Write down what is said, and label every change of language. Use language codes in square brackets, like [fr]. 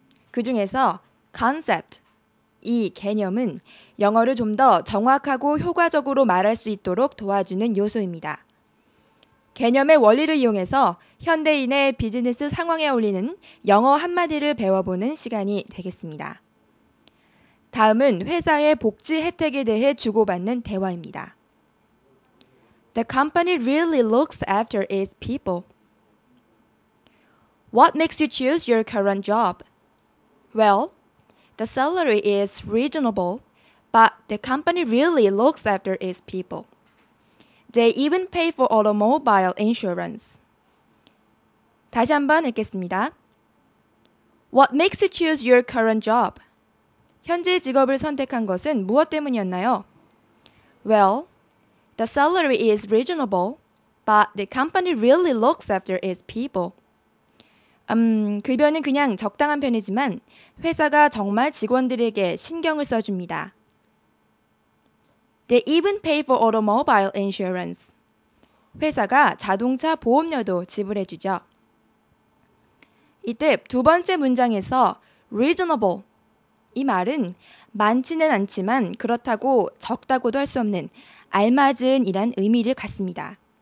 [ko] 그 중에서 concept, 이 개념은 영어를 좀 더 정확하고 효과적으로 말할 수 있도록 도와주는 요소입니다. 개념의 원리를 이용해서 현대인의 비즈니스 상황에 어울리는 영어 한마디를 배워보는 시간이 되겠습니다. 다음은 회사의 복지 혜택에 대해 주고받는 대화입니다. [en] The company really looks after its people. What makes you choose your current job? Well, the salary is reasonable, but the company really looks after its people. They even pay for automobile insurance. [ko] 다시 한번 읽겠습니다. [en] What makes you choose your current job? [ko] 현재 직업을 선택한 것은 무엇 때문이었나요? [en] Well, the salary is reasonable, but the company really looks after its people. [ko] 급여는 그냥 적당한 편이지만 회사가 정말 직원들에게 신경을 써줍니다. [en] They even pay for automobile insurance. [ko] 회사가 자동차 보험료도 지불해주죠. 이때 두 번째 문장에서 reasonable 이 말은 많지는 않지만 그렇다고 적다고도 할 수 없는 알맞은 이란 의미를 갖습니다.